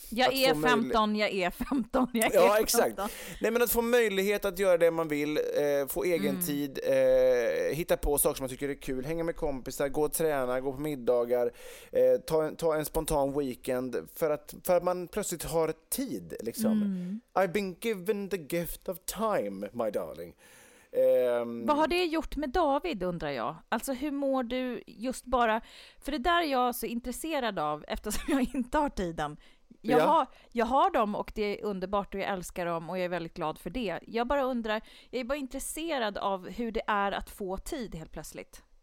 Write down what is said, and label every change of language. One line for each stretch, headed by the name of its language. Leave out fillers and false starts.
Swedish: Jag är 15. Exakt. Nej, men att få möjlighet att göra det man vill, få egen tid, hitta på saker som man tycker är kul, hänga med kompisar, gå och träna, gå på middagar, ta en spontan weekend för att man plötsligt har tid. Liksom. Mm.
English: I've been given the gift of time, my darling.
Swedish: Vad har det gjort med David, undrar jag? Alltså, hur mår du just bara... För det där är jag så intresserad av, eftersom jag inte har tiden. Jag har dem och det är underbart och jag älskar dem och jag är väldigt glad för det. Jag bara undrar, jag är bara intresserad av hur det är att få tid helt plötsligt.